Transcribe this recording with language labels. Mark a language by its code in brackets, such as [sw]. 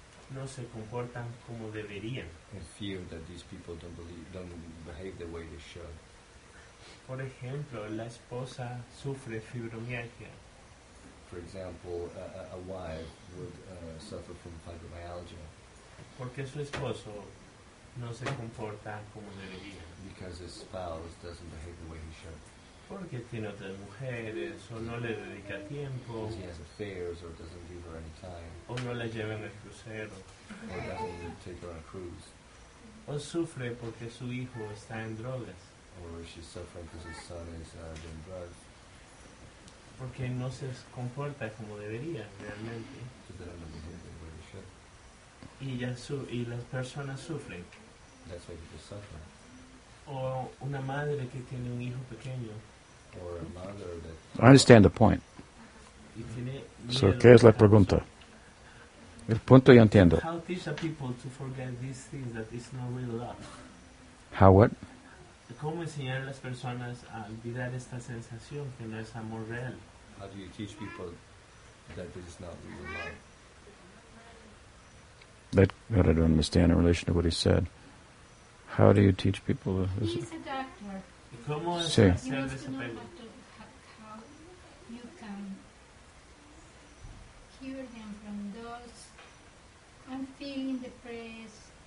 [es] no se comportan como deberían, [en] and fear that these people don't behave the way they should. [es] Por ejemplo, la esposa sufre fibromialgia. [en] For example, a wife would suffer from fibromyalgia. [es] Porque su esposo no se comporta como debería. [en] Because his spouse doesn't behave the way he should. [es] Porque tiene otras mujeres, o no le dedica tiempo. [en] Because he has affairs, or doesn't give her any time. [es] O no la lleva en el crucero. [en] Or doesn't take her on a cruise. [es] O sufre porque su hijo está en drogas. [en] Or she's suffering because his son is doing drugs. [es] Porque no se comporta como debería, realmente. [en] So they don't behave the way they should. [es] Y las personas sufren. [en] That's why people suffer. [es] O una madre que tiene un hijo pequeño. [en] Or a mother that... I understand the point. So, [es] ¿qué es la pregunta? El punto ya entiendo. [en] How teach the people to forget these things that is not real love? How what? [es] ¿Cómo enseñar a las personas a olvidar esta sensación que no es amor real? [en] How do you teach people that this is not real love? That, I don't understand in relation to what he said. How do you teach people? He's a doctor. [es] Sí. [en] He wants to know how you can forgive them from those unfeeling depressed